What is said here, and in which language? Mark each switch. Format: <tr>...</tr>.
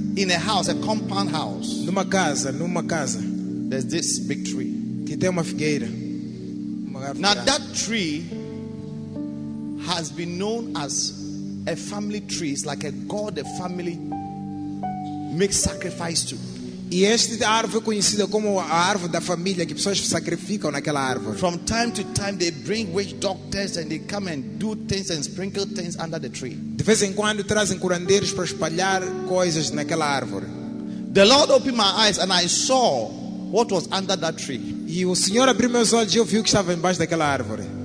<en>In a house, a compound house.</en> <pt>Numa casa.</pt> <en>There's this big tree.</en> <pt>Que tem uma figueira.</pt> <en>Now that tree has been known as a family tree. It's like a god, a family make sacrifice to.</en> <pt>E esta árvore é conhecida como a árvore da família, que pessoas sacrificam naquela árvore.</pt> <en>From time to time they bring witch doctors and they come and do things and sprinkle things under the tree.</en> <pt>De vez em quando trazem curandeiros para espalhar coisas naquela árvore.</pt> <en>The Lord opened my eyes and I saw what was under that tree.</en> <pt>E o Senhor abriu meus olhos e eu vi o que estava embaixo daquela árvore.</pt>